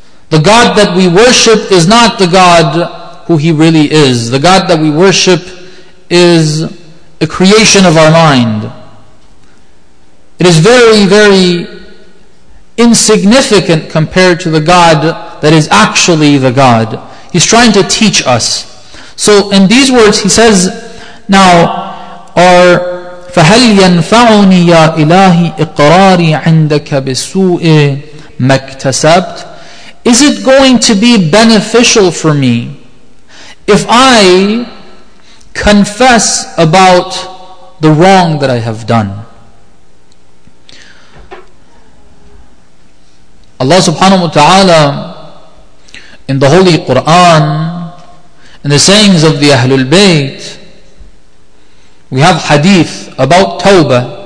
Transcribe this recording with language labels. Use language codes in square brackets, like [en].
[en] The God that we worship is not the God who He really is. The God that we worship is a creation of our mind. It is very, very insignificant compared to the God that is actually the God. He's trying to teach us. So in these words, he says, now, [ar] فَهَلْ يَنْفَعُنِي يَا إِلَهِ إِقْرَارِي عِنْدَكَ بِسُوءِ مَكْتَسَبْتِ. [en] Is it going to be beneficial for me if I confess about the wrong that I have done? Allah subhanahu wa ta'ala in the Holy Quran, in the sayings of the Ahlul Bayt, we have hadith about tawbah.